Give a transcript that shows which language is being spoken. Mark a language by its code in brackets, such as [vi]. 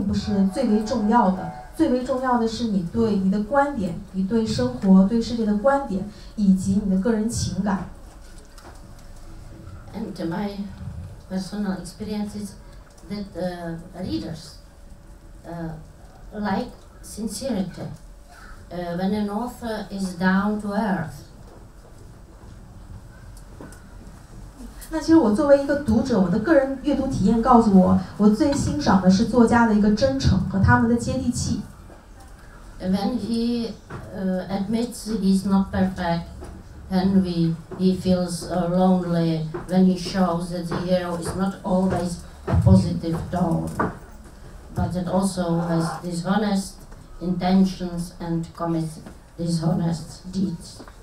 [zh] 那就我本身的话，我当时我是学习电影、学习文学的。那个时候我们就学到，其实世界上呢，只有这么几十个故事，其他的无数的故事都是基于这几十个故事进行调整的。可能有三五十，也许你乐观，你可以说有六十个故事。但我觉得结构并不是最为重要的。最为重要的是你对你的观点，你对生活、对世界的观点，以及你的个人情感。 [en] And my personal experience is that the readers like sincerity. When an author is down to earth. [zh] 那其实我作为一个读者，我的个人阅读体验告诉我，我最欣赏的是作家的一个真诚和他们的接地气。 [en] When he admits he's not perfect, and he feels lonely when he shows that the hero is not always a positive tone, but that also has dishonest intentions and commits dishonest deeds.